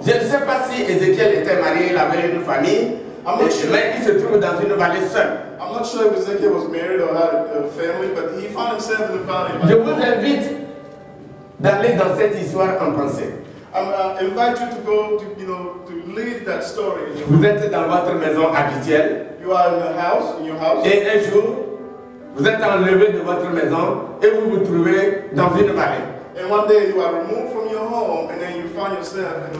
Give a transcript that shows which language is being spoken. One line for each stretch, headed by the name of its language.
French: Je ne sais pas si Ezekiel était marié, il avait une famille.
English: I'm not sure.
French: Mais il se trouve dans une vallée seul.
English: I'm not sure if Ezekiel was married or had a family, but he found himself in the valley.
French: Je vous invite d'aller dans cette histoire en pensée.
English: I invite you to go to leave that story.
French: Vous êtes dans votre maison habituelle.
English: You are in the house, in your house.
French: Et un jour, vous êtes enlevé de votre maison et vous vous trouvez dans une vallée.
English: And one day you are removed from your home and then you find yourself in the